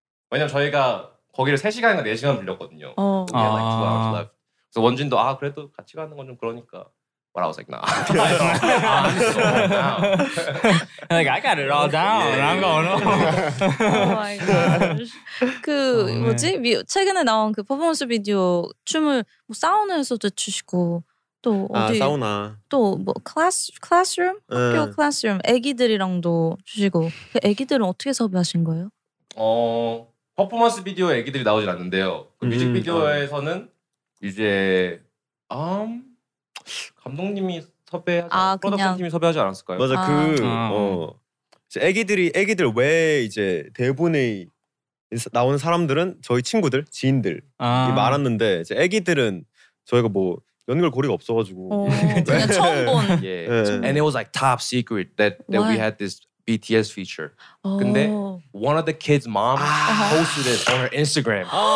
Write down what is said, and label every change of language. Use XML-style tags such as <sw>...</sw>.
<ko>왜냐면 저희가 거기를 3시간인가 4시간 빌렸거든요.</ko> <en>2 hours left.</en> <ko>그래서 원진도 아 그래도 같이 가는 건 좀 그러니까.</ko> <en>But I was like, nah. I'm so like, I got it all down. Yeah. And I'm going home. Oh my gosh.</en> <ko>그 뭐지? 최근에 나온 그 퍼포먼스 비디오 춤을 뭐 사우나에서도 추시고 또 어디? 아, 사우나. 또 뭐 클래스룸? 학교 클래스룸. 애기들이랑도 주시고. 그 애기들은 어떻게 섭외하신 거예요? 어, 퍼포먼스 비디오에 애기들이 나오진 않는데요. 그 뮤직비디오에서는 이제 감독님이 섭외하지 프로덕션팀이 섭외하지 않았을까요? 맞아. 그 애기들 왜 이제 대본에 나오는 사람들은 저희 친구들, 지인들 이 말았는데 이제 애기들은 저희가 뭐 연결 고리가 없어가지고 그냥 처음 본</ko> <en>And it was like top secret that we had this BTS feature.</en> <ko>근데</ko> <en>one of the kids' mom posted it on her Instagram.</en>